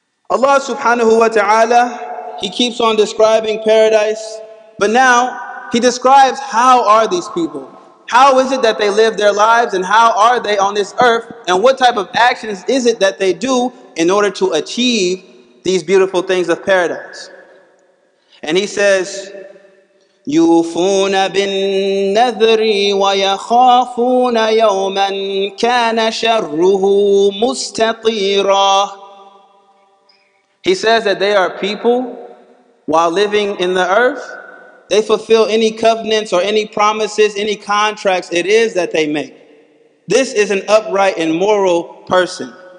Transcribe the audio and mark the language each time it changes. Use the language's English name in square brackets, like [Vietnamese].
[English] Allah subhanahu wa ta'ala, He keeps on describing paradise, but now He describes how are these people? How is it that they live their lives, and how are they on this earth, and what type of actions is it that they do in order to achieve these beautiful things of paradise? And He says, [Arabic] يوفون بالنذر ويخافون يوما كان شره مستطيرا. [English] He says that they are people, while living in the earth, they fulfill any covenants or any promises, any contracts it is that they make. This is an upright and moral person.